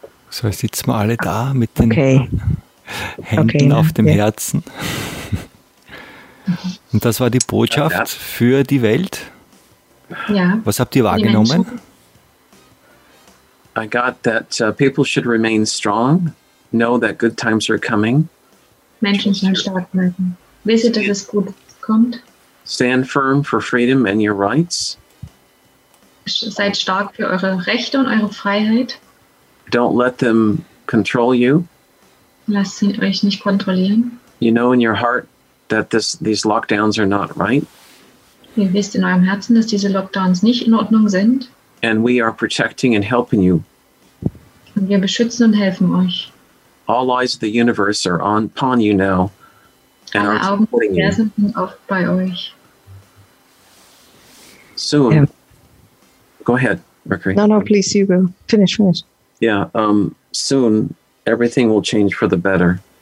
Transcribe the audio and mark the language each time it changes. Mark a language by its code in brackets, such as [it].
[de] So, sitzen wir alle da mit den okay. Händen okay, auf dem yeah. Herzen. Und das war die Botschaft für die Welt. Ja. Was habt ihr wahrgenommen? [en] I got that people should remain strong, know that good times are coming. [de] Menschen sollen stark bleiben. Wisse, dass es gut kommt. [en] Stand firm for freedom and your rights. [de] Seid stark für eure Rechte und eure Freiheit. [en] Don't let them control you. [de] Lasst sie euch nicht kontrollieren. [en] You know in your heart that these lockdowns are not right. [de] Ihr wisst in eurem Herzen, dass diese Lockdowns nicht in Ordnung sind. [en] And we are protecting and helping you. [de] Und wir beschützen und helfen euch. [en] All eyes of the universe are upon you now. [de] And alle Augen des Universums sind auch bei euch. [en] Soon. Go ahead, Mercury. No, please, you go. Finish. Yeah, soon everything will change for the better.